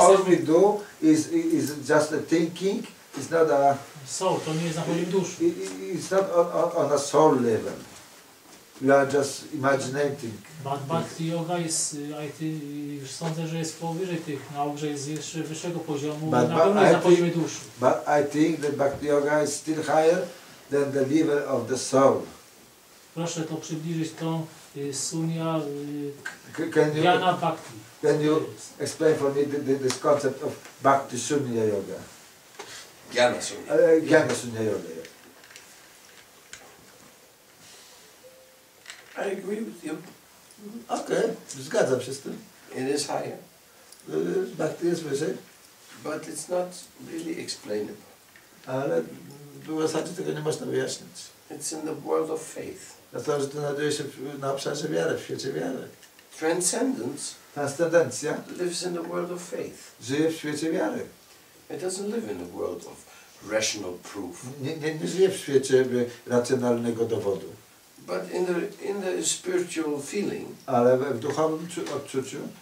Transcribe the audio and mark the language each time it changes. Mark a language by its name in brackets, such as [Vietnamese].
[English] all we do is just a thinking. It's not a soul. [Polish] To nie jest na poziomie duszy. [English] It's not on a soul level. We are just imagining. [Polish] Bhakti yoga jest, już sądzę, że jest powyżej tych nauk, że jest jeszcze wyższego poziomu, na pewno jest na poziomie duszy. [English] But I think that Bhakti yoga is still higher than the level of the soul. [Polish] Proszę to przybliżyć tą sunya jnana bhakti. [English] Can you explain for me this concept of bhakti sunya yoga? Jnana sunya yoga. I agree with you. [Polish] Okay, zgadzam się z tym. [English] It is higher. [Polish] Bhakti jest wyżej. [English] But it's not really explainable. [Polish] Ale w zasadzie tego nie można wyjaśnić. [English] It's in the world of faith. [Polish] Dlatego, że to znajduje się na obszarze wiary, w świecie wiary. [English] Transcendence. [Polish] Transcendencja. [English] Lives in the world of faith. [Polish] Żyje w świecie wiary. [English] It doesn't live in the world of rational proof. [Polish] Nie żyje w świecie racjonalnego dowodu. [English] But in the spiritual feeling. [Polish] Ale w duchowym odczuciu.